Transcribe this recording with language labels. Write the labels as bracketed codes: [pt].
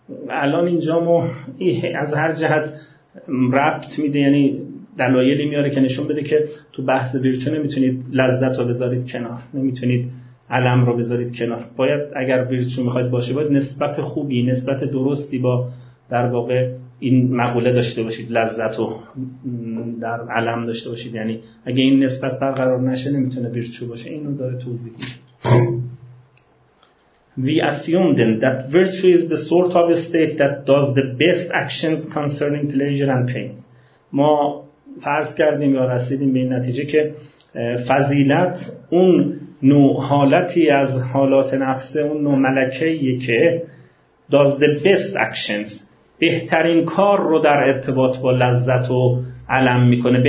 [fa] الان اینجا مو از هر جهت ربط میده، یعنی دلایلی میاره که نشون بده که تو بحث ویرچو نمیتونید لذت رو بذارید کنار، نمیتونید علم رو بذارید کنار. باید اگر ویرچو میخواید باشه باید نسبت خوبی، نسبت درستی با در واقع این مقوله داشته باشید، لذت رو در علم داشته باشید، یعنی اگه این نسبت برقرار نشه نمیتونه ویرچو باشه. اینو داره توضیح میده. [en] We assumed that virtue is the sort of state that does the best actions concerning pleasure and pain. [fa] ما فرض کردیم یا رسیدیم به این نتیجه که فضیلت اون نوع حالتی از حالات نفس، اون نوع ملکه‌ایه که [en] does the best actions، [fa] بهترین کار رو در ارتباط با لذت و الم میکنه.